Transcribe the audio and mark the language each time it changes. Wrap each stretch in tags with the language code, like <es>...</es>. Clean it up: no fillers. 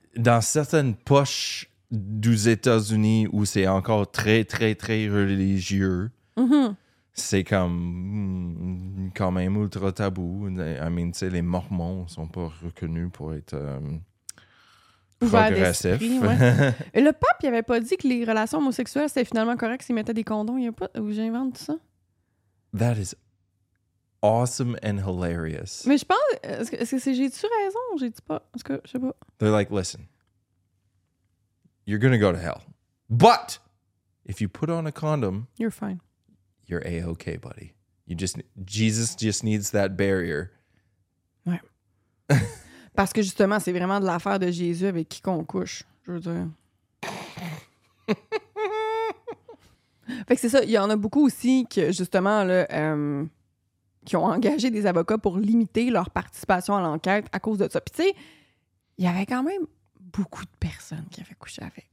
<fr>Dans certaines poches des États-Unis où c'est encore très, très, très religieux, mm-hmm. C'est comme quand même ultra tabou.</fr> <en>I mean,</en> <fr>tu sais, les Mormons sont pas reconnus pour être progressifs. Ouais. Le pape, il avait pas dit que les relations homosexuelles c'était finalement correct s'il mettait des condoms. Il y a pas où j'invente ça.</fr> <en>That is awesome and hilarious.</en> <fr>Mais je pense, est-ce que c'est j'ai-tu raison ou j'ai-tu pas? Est-ce que je sais pas.</fr> <en>They're like, listen, you're gonna go to hell, but if you put on a condom, you're fine. You're A-OK, buddy. You just Jesus just needs that barrier.</en> <fr>Ouais. Parce que justement, c'est vraiment de l'affaire de Jésus avec qui qu'on couche, je veux dire. Fait que c'est ça, il y en a beaucoup aussi qui, justement, là, qui ont engagé des avocats pour limiter leur participation à l'enquête à cause de ça. Puis tu sais, il y avait quand même beaucoup de personnes qui avaient couché avec.</fr>